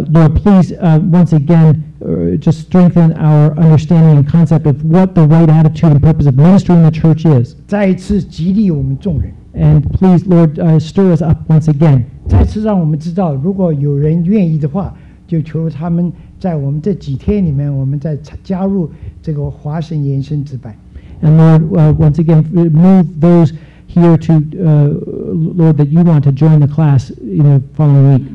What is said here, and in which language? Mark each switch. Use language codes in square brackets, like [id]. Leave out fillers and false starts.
[en] please once again just strengthen our understanding and concept of what the right attitude and purpose of ministry in the church is. [zh] 再次激励我们众人。And [en] please, Lord, stir us up once again. [zh] 再次让我们知道，如果有人愿意的话，就求他们。在我们这几天里面，我们再加入这个华神延伸之班。And [en] Lord, once again, move those here to Lord that you want to join the class in the following week.